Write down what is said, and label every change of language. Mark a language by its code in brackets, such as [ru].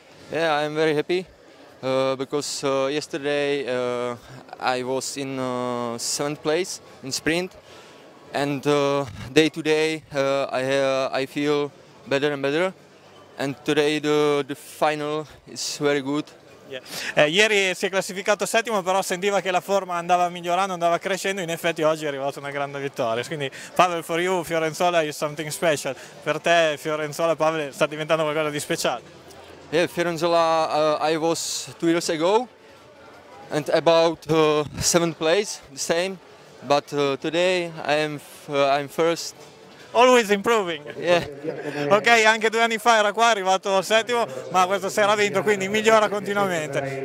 [en] Yeah, I'm very happy because yesterday I was in seventh place in sprint and day to day I feel better and better and today the final is very good. Yeah. [it] Ieri si è classificato settimo, però sentiva che la forma andava migliorando, andava crescendo, in effetti oggi è arrivata una grande vittoria, quindi Pavel, [en] for you Fiorenzuola is something special, [it] per te Fiorenzuola, Pavel, sta diventando qualcosa di speciale. [en] Yeah, Fiorenzuola I was 2 years ago and about seventh place, the same, but today I'm first. Always improving. Yeah. [it] Ok, anche 2 anni fa era qua, è arrivato al settimo, ma questa sera ha vinto, quindi migliora continuamente.